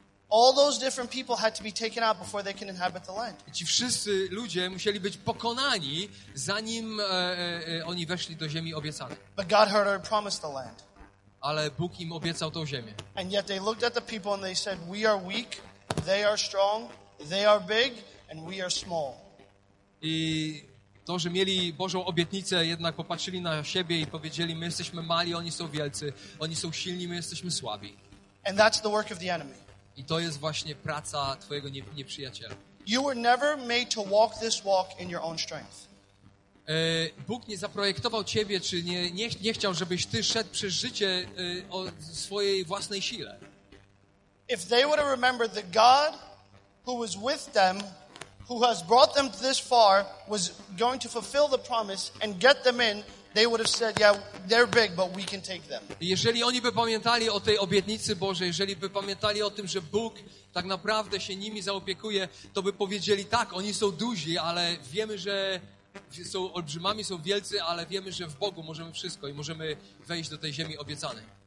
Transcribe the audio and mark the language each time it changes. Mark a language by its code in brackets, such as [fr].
[en] All those different people had to be taken out before they can inhabit the land. [pl] Ci wszyscy ludzie musieli być pokonani, zanim oni weszli do ziemi obiecanej. [en] But God had already promised the land. [pl] Ale Bóg im obiecał tą ziemię. [en] And yet they looked at the people and they said, we are weak, they are strong, they are big, and we are small. [pl] I to, że mieli Bożą obietnicę, jednak popatrzyli na siebie i powiedzieli, my jesteśmy mali, oni są wielcy, oni są silni, my jesteśmy słabi. [en] And that's the work of the enemy. [pl] I to jest właśnie praca twojego nieprzyjaciela. [en] You were never made to walk this walk in your own strength. [pl] Bóg nie zaprojektował ciebie, czy nie chciał, żebyś ty szedł przez życie o swojej własnej sile. [en] If they would have remembered that God who was with them, who has brought them this far, was going to fulfill the promise and get them in, they would have said, yeah, they're big, but we can take them. [pl] Jeżeli oni by pamiętali o tej obietnicy Bożej, jeżeli by pamiętali o tym, że Bóg tak naprawdę się nimi zaopiekuje, to by powiedzieli, tak, oni są duzi, ale wiemy, że są olbrzymami, są wielcy, ale wiemy, że w Bogu możemy wszystko i możemy wejść do tej ziemi obiecanej.